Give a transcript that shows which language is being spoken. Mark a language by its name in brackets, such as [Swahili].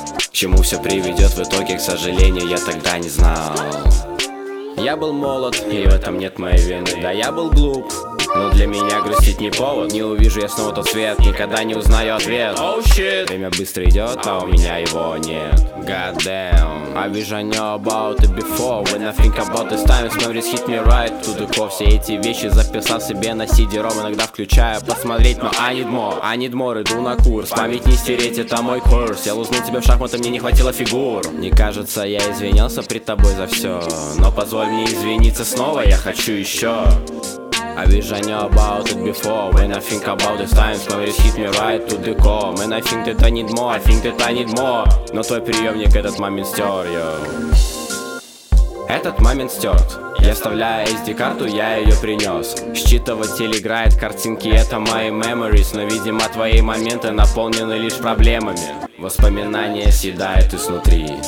[Russian] К чему все приведет в итоге, к сожалению, я тогда не знал. Я был молод, и в этом нет моей вины. Да, я был глуп, но для меня грустить не повод. Не увижу я снова тот свет, никогда не узнаю ответ. [English] Oh, shit. [Russian] Время быстро идет, а у меня его нет. [English] God damn. I wish I knew about it before. When I think about this time, it's memories hit me right to the core. [Russian] Все эти вещи записал себе на CD-ROM, иногда включаю посмотреть, но [English] I need more, [Russian] иду на курс. Память не стереть, это мой курс. Я лузнул тебя в шахматы, мне не хватило фигур. Не кажется, я извинялся пред тобой за все. Но позволь мне извиниться снова, я хочу еще. [English] I wish I knew about it before. When I think about this time, memories hit me right to the core. Man, I think that I need more. [Russian] Но твой приемник этот момент стер, yo. Этот момент стерт. Я вставляю SD-карту, я ее принес. Считыватель играет картинки, это мои memories. Но видимо твои моменты наполнены лишь проблемами. Воспоминания съедают изнутри.